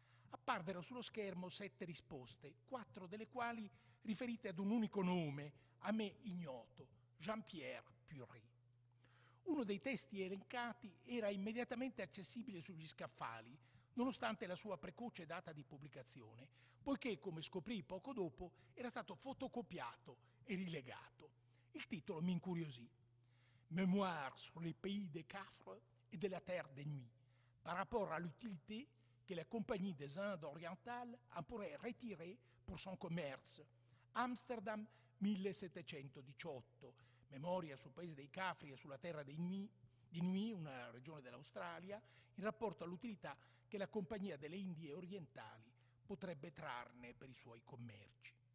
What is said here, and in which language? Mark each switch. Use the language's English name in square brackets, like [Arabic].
[Italian] apparvero sullo schermo 7 risposte, 4 delle quali riferite ad un unico nome, a me ignoto, Jean-Pierre Puri. Uno dei testi elencati era immediatamente accessibile sugli scaffali, nonostante la sua precoce data di pubblicazione, poiché, come scoprì poco dopo, era stato fotocopiato e rilegato. Il titolo mi incuriosì. [French] Mémoires sur les pays des Quatre et de la Terre des Nuits, par rapport à l'utilité que la Compagnie des Indes Orientales en pourrait retirer pour son commerce. [Italian] Amsterdam 1718, memoria sul paese dei Cafri e sulla terra dei Nui, una regione dell'Australia, in rapporto all'utilità che la Compagnia delle Indie Orientali potrebbe trarne per i suoi commerci.